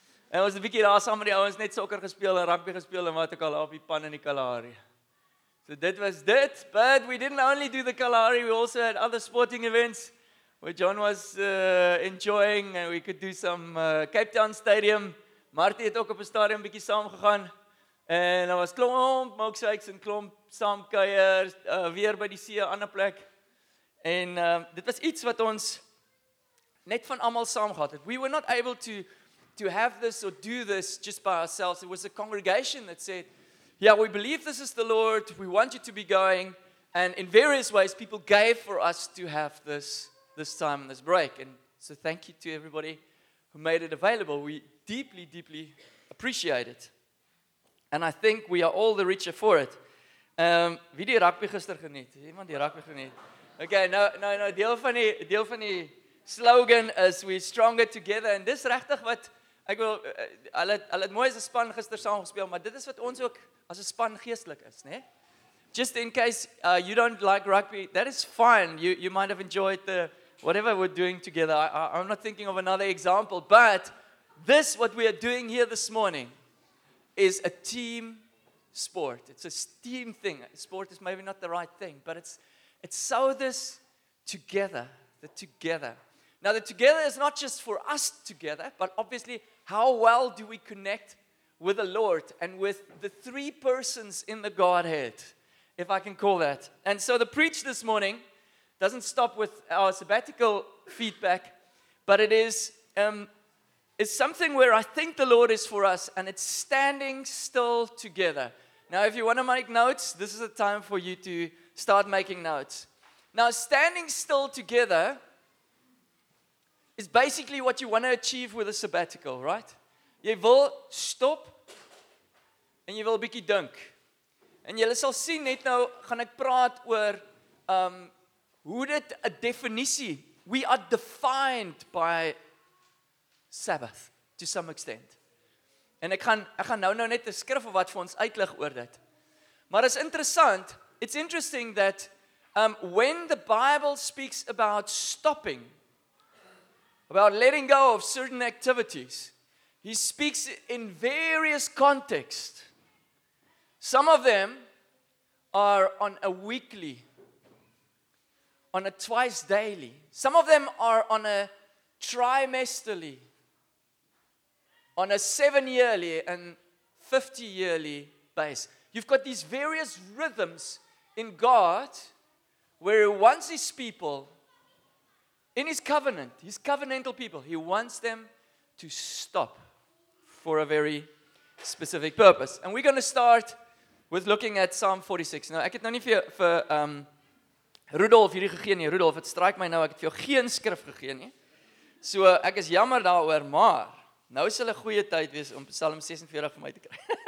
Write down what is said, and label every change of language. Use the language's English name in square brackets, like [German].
[English] And it was a [Afrikaans] bietjie daar saam met die ouens net sokker gespeel en rugby gespeel en wat ook al op die pan in die Kalahari. So dit was dit, [English] but we didn't only do the Kalahari, we also had other sporting events where John was enjoying and we could do some Cape Town Stadium. [Afrikaans] Marty het ook op 'n stadium bietjie saam gegaan. En daar was klomp mokseiks en klomp saamkuier weer by die see 'n ander plek. En dit was iets wat ons net van almal saam gehad het. [English] We were not able to have this or do this just by ourselves. It was a congregation that said, yeah, we believe this is the Lord. We want you to be going. And in various ways, people gave for us to have this time and this break. And so thank you to everybody who made it available. We deeply, deeply appreciate it. And I think we are all the richer for it. [Afrikaans] Wie die rugby gister geniet? Iemand die rugby geniet? Okay, nou, deel van die slogan is [English] we stronger together. [Afrikaans] En dis regtig wat ek wil, hulle het mooi as 'n span gister saam gespeel, maar dit is wat ons ook as 'n span geestelik is, né? [English] Just in case you don't like rugby, that is fine. You might have enjoyed the whatever we're doing together. I'm not thinking of another example, but this what we are doing here this morning is a team sport. It's a team thing. Sport is maybe not the right thing, but it's so this together, the together. Now, the together is not just for us together, but obviously, how well do we connect with the Lord and with the three persons in the Godhead, if I can call that. And so the preach this morning doesn't stop with our sabbatical feedback, but it is it's something where I think the Lord is for us, and it's standing still together. Now, if you want to make notes, this is a time for you to start making notes. Now, standing still together is basically what you want to achieve with a sabbatical, right? [Afrikaans] Jy wil stop, en jy wil 'n bietjie dink. En jy sal sien, net nou gaan ek praat oor hoe dit 'n definisie. [English] We are defined by Sabbath, to some extent. [Afrikaans] En ek gaan nou net 'n skrif of wat vir ons uitlig oor dit. Maar is interessant, [English] it's interesting that when the Bible speaks about stopping, about letting go of certain activities, he speaks in various contexts. Some of them are on a weekly, on a twice daily. Some of them are on a trimesterly, on a 7-yearly and 50-yearly base. You've got these various rhythms in God where he wants his people in his covenant, his covenantal people, he wants them to stop for a very specific purpose. And we're going to start with looking at Psalm 46. [Afrikaans] Nou, ek het nou nie vir Rudolf hierdie gegee nie. Rudolf, het strijk my nou, ek het vir jou geen skrif gegee nie. So, ek is jammer daaroor, maar nou sal 'n goeie tyd wees om Psalm 46 vir my te kry.